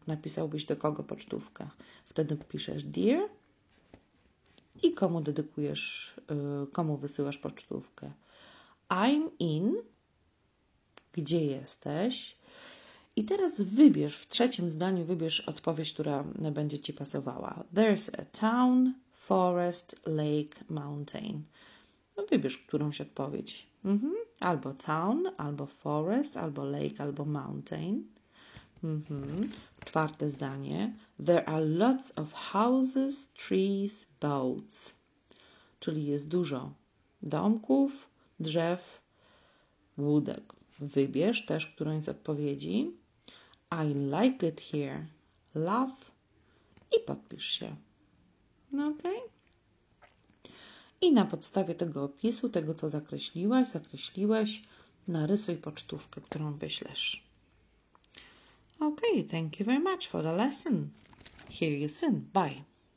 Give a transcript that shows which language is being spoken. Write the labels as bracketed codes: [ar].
[pl] Napisałbyś do kogo pocztówkę? Wtedy piszesz dear i komu dedykujesz, komu wysyłasz pocztówkę? [en] I'm in, [pl] gdzie jesteś? I teraz wybierz, w trzecim zdaniu wybierz odpowiedź, która będzie Ci pasowała. [en] There's a town, forest, lake, mountain. [pl] No wybierz którąś odpowiedź. Albo town, albo forest, albo lake, albo mountain. Czwarte zdanie. [en] There are lots of houses, trees, boats. [pl] Czyli jest dużo domków, drzew, łódek. Wybierz też którąś z odpowiedzi. [en] I like it here. Love. [pl] I podpisz się. No ok? I na podstawie tego opisu, tego co zakreśliłeś, narysuj pocztówkę, którą wyślesz. [en] Ok, thank you very much for the lesson. Hear you soon. Bye.